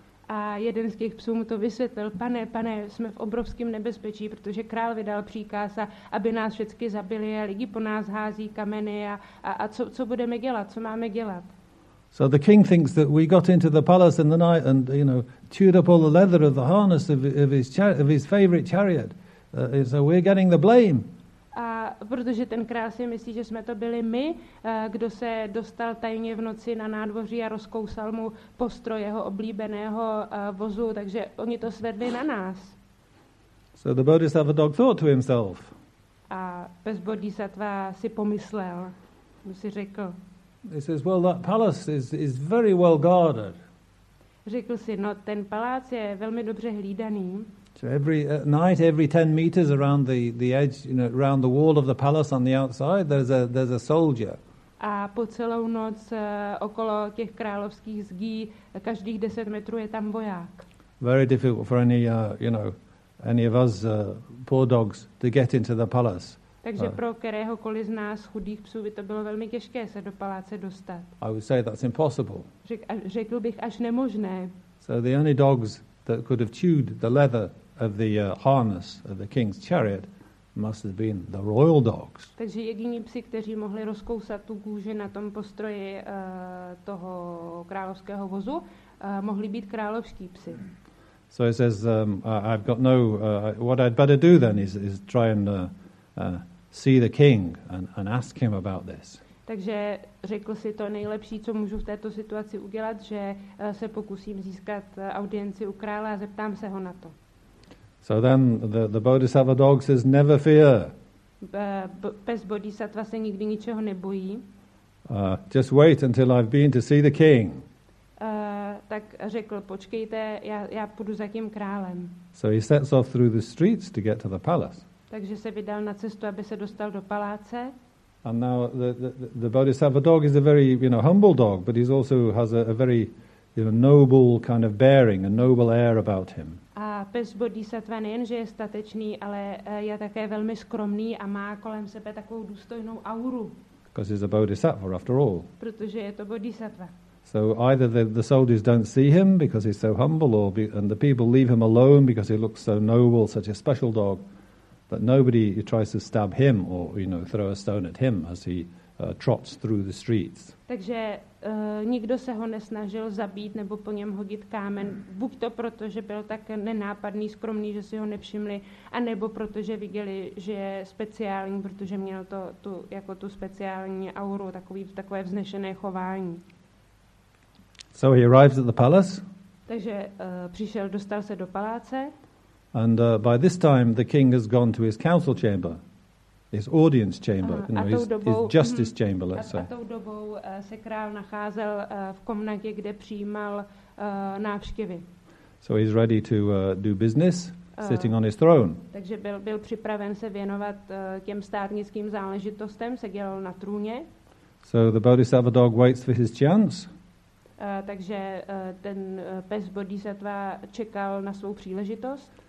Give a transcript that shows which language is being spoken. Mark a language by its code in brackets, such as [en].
[cs] A jeden z těch psů mu to vysvětlil. Pane, jsme v obrovském nebezpečí, protože král vydal příkaz, aby nás všechny zabili a lidi po nás hází kameny a co budeme dělat? Co máme dělat? [en] So the king thinks that we got into the palace in the night and, you know, chewed up all the leather of the harness of his favorite chariot. So we're getting the blame. [cs] A protože ten král si myslí, že jsme to byli my, kdo se dostal tajně v noci na nádvoří a rozkousal mu postroj jeho oblíbeného vozu, takže oni to svedli na nás. [en] So the Bodhisattva dog thought to himself. [cs] A pes Bodhisattva si pomyslel, mu si řekl. [en] He says, well, that palace is very well guarded. [cs] Řekl si, no, ten palác je velmi dobře hlídaný. [en] So every night, every 10 meters around the edge, you know, around the wall of the palace on the outside, there's a soldier. [cs] A po celou noc okolo těch královských zdí každých 10 metrů je tam voják. [en] Very difficult for any of us poor dogs to get into the palace. [cs] Takže pro kteréhokoliv z nás chudých psů by to bylo velmi těžké se do paláce dostat. [en] I would say that's impossible. [cs] Řekl bych až nemožné. [en] So the only dogs that could have chewed the leather of the harness of the king's chariot must have been the royal dogs. [cs] Takže jediní psi, kteří mohli rozkousat tu kůži na tom postroji toho královského vozu, mohli být královští psi. [en] So he says, I've got no, what I'd better do then is try and see the king and ask him about this. [cs] Takže řekl si to nejlepší, co můžu v této situaci udělat, že se pokusím získat audienci u krále a zeptám se ho na to. [en] So then the Bodhisattva dog says, never fear. [cs] Pes Bodhisattva se nikdy ničeho nebojí. [en] Just wait until I've been to see the king. [cs] Tak řekl, počkejte, já půjdu za tím králem. [en] So he sets off through the streets to get to the palace. [cs] Takže se vydal na cestu, aby se dostal do paláce. [en] And now the Bodhisattva dog is a very, you know, humble dog, but he also has a very, you know, noble kind of bearing, a noble air about him. [cs] A pes Bodhisattva nejen, že je statečný, ale je také velmi skromný a má kolem sebe takovou důstojnou auru. [en] Because he's a Bodhisattva, after all. [cs] Protože je to Bodhisattva. [en] So either the soldiers don't see him because he's so humble, and the people leave him alone because he looks so noble, such a special dog. That nobody tries to stab him or, you know, throw a stone at him as he trots through the streets. [cs] Takže nikdo se ho nesnažil zabít nebo po něm hodit kámen, buď to proto, že byl tak nenápadný, skromný, že si ho nevšimli, a nebo protože viděli, že je speciální, protože měl to tu jako tu speciální auru, takové vznešené chování. [en] So he arrives at the palace. [cs] Takže přišel, dostal se do paláce. [en] And by this time the king has gone to his council chamber, his audience chamber, you know, his justice chamber, let's say. [cs] A tou dobou se král nacházel v komnatě, kde přijímal návštěvy. [en] So he's ready to do business, sitting on his throne. [cs] Takže byl připraven se věnovat těm státnickým záležitostem, seděl na trůně. [en] So the Bodhisattva dog waits for his chance. [cs] Takže ten pes Bodhisattva čekal na svou příležitost.